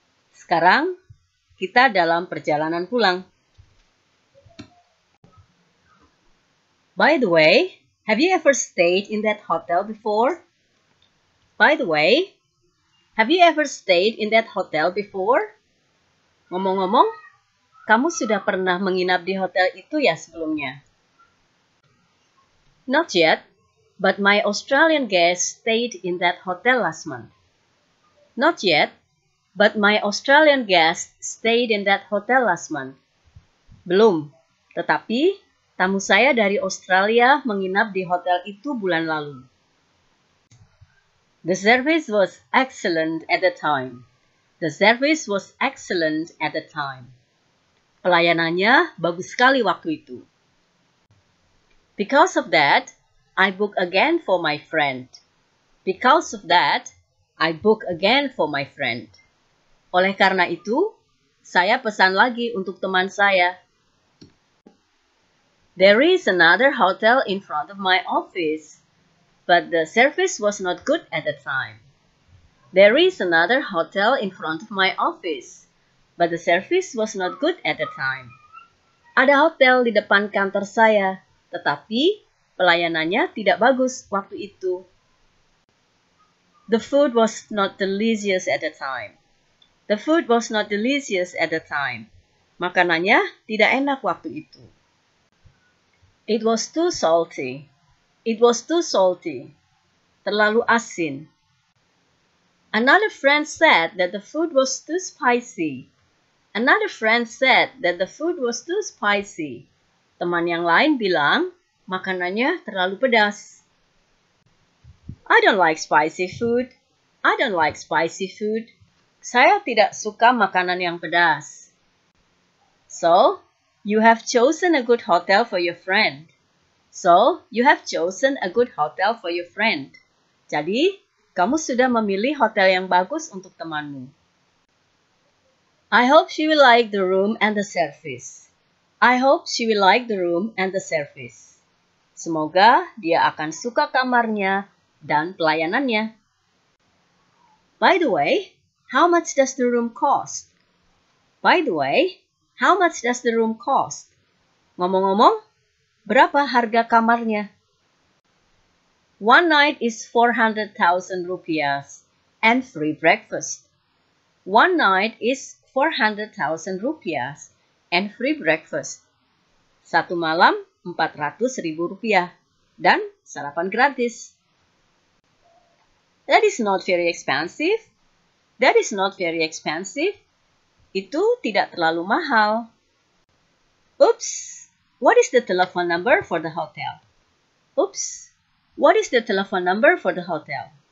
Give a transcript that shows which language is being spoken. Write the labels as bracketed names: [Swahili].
[Indonesian] Sekarang kita dalam perjalanan pulang. [English] By the way, have you ever stayed in that hotel before? By the way, have you ever stayed in that hotel before? [Indonesian] Ngomong-ngomong, kamu sudah pernah menginap di hotel itu ya sebelumnya? [English] Not yet, but my Australian guest stayed in that hotel last month. Not yet, but my Australian guest stayed in that hotel last month. [Indonesian] Belum, tetapi tamu saya dari Australia menginap di hotel itu bulan lalu. [English] The service was excellent at the time. The service was excellent at the time. [Indonesian] Pelayanannya bagus sekali waktu itu. [English] Because of that, I book again for my friend. Because of that, I book again for my friend. [Indonesian] Oleh karena itu, saya pesan lagi untuk teman saya. [English] There is another hotel in front of my office, but the service was not good at the time. There is another hotel in front of my office, but the service was not good at the time. [Indonesian] Ada hotel di depan kantor saya, tetapi pelayanannya tidak bagus waktu itu. [English] The food was not delicious at the time. The food was not delicious at the time. [Indonesian] Makanannya tidak enak waktu itu. [English] It was too salty. It was too salty. [Indonesian] Terlalu asin. [English] Another friend said that the food was too spicy. Another friend said that the food was too spicy. [Indonesian] Teman yang lain bilang makanannya terlalu pedas. [English] I don't like spicy food. I don't like spicy food. [Indonesian] Saya tidak suka makanan yang pedas. [English] So, you have chosen a good hotel for your friend. So, you have chosen a good hotel for your friend. [Indonesian] Jadi, kamu sudah memilih hotel yang bagus untuk temanmu. [English] I hope she will like the room and the service. I hope she will like the room and the service. [Indonesian] Semoga dia akan suka kamarnya dan pelayanannya. [English] By the way, how much does the room cost? By the way, how much does the room cost? [Indonesian] Ngomong-ngomong, berapa harga kamarnya? [English] One night is 400,000 rupiahs and free breakfast. One night is 400,000 rupiahs and free breakfast. [Indonesian] Satu malam 400.000 rupiah dan sarapan gratis. [English] That is not very expensive. That is not very expensive. [Indonesian] Itu tidak terlalu mahal. [English] Oops, what is the telephone number for the hotel? Oops, what is the telephone number for the hotel?